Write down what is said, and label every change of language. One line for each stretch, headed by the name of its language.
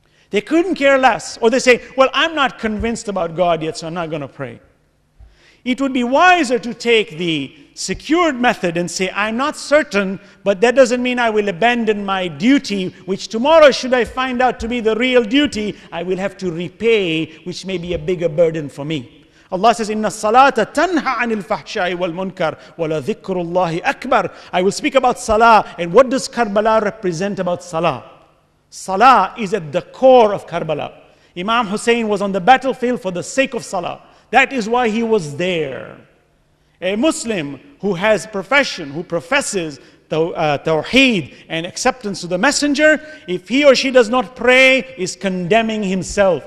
English: They couldn't care less. Or they say, well, I'm not convinced about God yet, so I'm not going to pray. It would be wiser to take the secured method and say, I'm not certain, but that doesn't mean I will abandon my duty, which tomorrow, should I find out to be the real duty, I will have to repay, which may be a bigger burden for me.
Arabic: Allah says, إِنَّ الصَّلَاةَ تَنْهَى عَنِ الْفَحْشَاءِ وَالْمُنْكَرِ وَلَذِكْرُ اللَّهِ أَكْبَرُ.
English: I will speak about salah. And what does Karbala represent about salah? Salah is at the core of Karbala. Imam Hussein was on the battlefield for the sake of salah. That is why he was there. A Muslim who has profession, who professes tawheed and acceptance to the messenger, if he or she does not pray, is condemning himself.